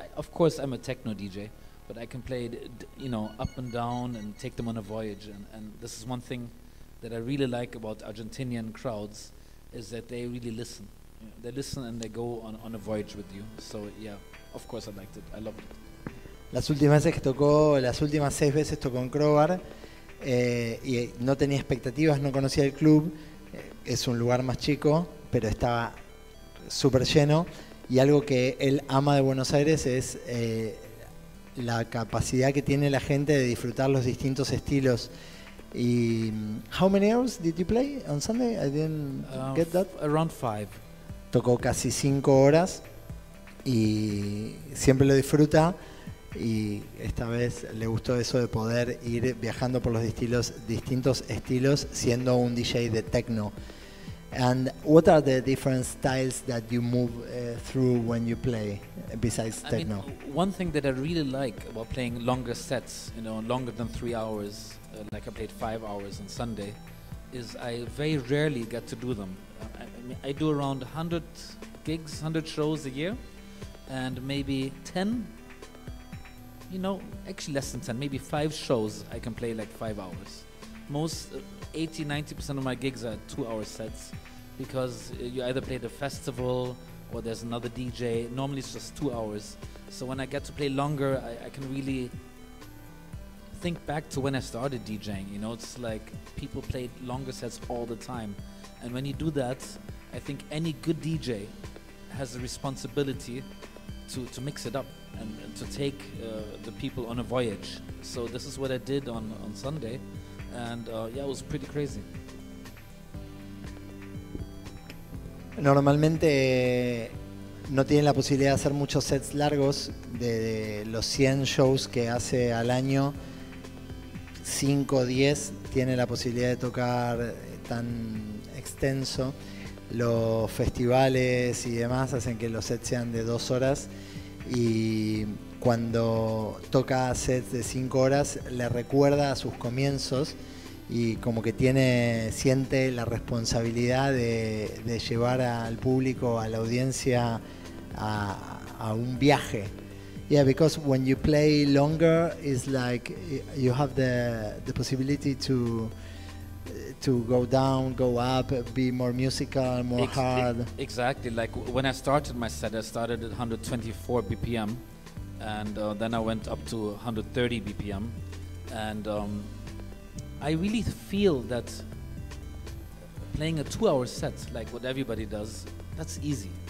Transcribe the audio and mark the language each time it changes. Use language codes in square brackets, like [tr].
[en] Of course, I'm a techno DJ, but I can play, you know, up and down and take them on a voyage, and this is one thing that I really like about Argentinian crowds, is that they really listen. They listen and they go on a voyage with you. So yeah, of course I liked it. I loved it. [es] Las últimas seis veces tocó en Crowbar, y no tenía expectativas, no conocía el club. Es un lugar más chico, pero estaba súper lleno. Y algo que él ama de Buenos Aires es la capacidad que tiene la gente de disfrutar los distintos estilos. [en] Y how many hours did you play on Sunday? I didn't get that. Around five. [es] Tocó casi 5 horas y siempre lo disfruta, y esta vez le gustó eso de poder ir viajando por los distintos estilos siendo un DJ de techno. [en] And what are the different styles that you move through when you play besides techno? I mean, one thing that I really like about playing longer sets, you know, longer than 3 hours, like I played 5 hours on Sunday, is I very rarely get to do them. I do around 100 gigs, 100 shows a year, and maybe 10, you know, actually less than 10, maybe 5 shows I can play like 5 hours. Most 80-90% of my gigs are 2-hour sets, because you either play at a festival or there's another DJ. Normally it's just 2 hours. So when I get to play longer, I can really think back to when I started DJing. You know, it's like people played longer sets all the time. And when you do that, I think any good DJ has a responsibility to mix it up and to take the people on a voyage. So this is what I did on Sunday, and yeah, it was pretty crazy. [es] Normalmente no tienen la posibilidad de hacer muchos sets largos. De los 100 shows que hace al año, 5 o 10 tiene la posibilidad de tocar tan extenso. Los festivales y demás hacen que los sets sean de 2 horas, y cuando toca sets de 5 horas le recuerda a sus comienzos, y como que siente la responsabilidad de llevar al público, a la audiencia, a un viaje. [en] Yeah, because when you play longer, it's like you have the possibility to go down, go up, be more musical, more hard. Exactly, like when I started my set, I started at 124 BPM, and then I went up to 130 BPM, and I really feel that playing a 2-hour set, like what everybody does, that's easy.